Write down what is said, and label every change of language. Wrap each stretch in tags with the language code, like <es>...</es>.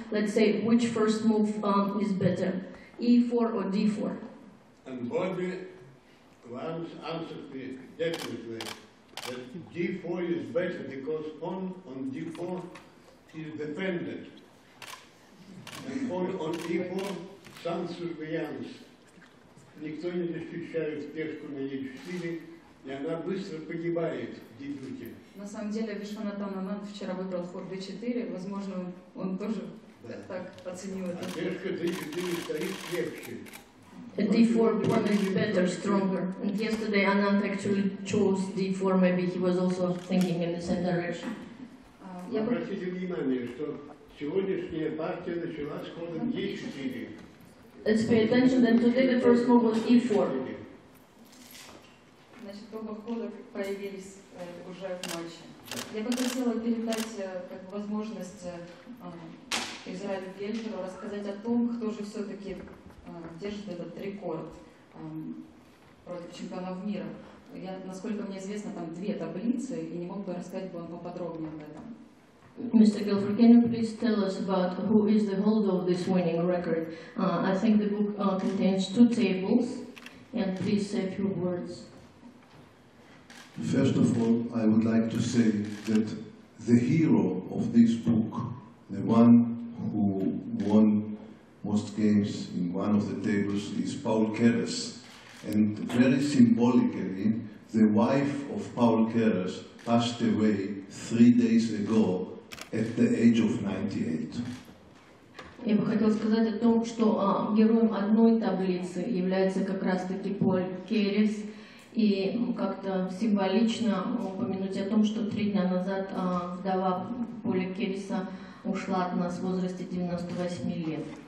<en>Let's say, which first move is better, E4 or D4? And Bobby answered me definitely that D4 is better because pawn on D4 is defended. And pawn on E4</en> <fr>sans surveillance.</fr> <ru>Никто не защищает пешку на Е4, и она быстро погибает в дебюте. На самом деле, Вишванатан вчера выбрал ход D4, возможно, он тоже так оценил это. А пешка D4 стоит легче.</ru> <en>A d4 pawn is better, stronger. And yesterday Anand actually chose d4, maybe he was also thinking in the same direction.</en> <ru>Обратите внимание, что сегодняшняя партия началась с ходом e4.</ru> <en>Let's pay attention that today the first move was e4.</en> <ru>Значит, оба хода появились уже в матче. Я бы хотела передать как возможность Израилю Гельферу рассказать о том, кто же все-таки держит этот рекорд против чемпионов мира. Я, насколько мне известно, там две таблицы, и не мог бы рассказать вам поподробнее об этом.</ru> <en>Mr. Gelfer, can you please tell us about who is the holder of this winning record? I think the book contains two tables, and please say a few words. First of all, I would like to say that the hero of this book, the one who won most games in one of the tables, is Paul Keres. And very symbolically, the wife of Paul Keres passed away 3 days ago at the age of 98.</en> <ru>Я бы хотел сказать о том, что героем одной таблицы является как раз-таки Paul Keres. И как-то символично упомянуть о том, что 3 дня назад вдова Пола Кереса ушла от нас в возрасте 98 лет.</ru>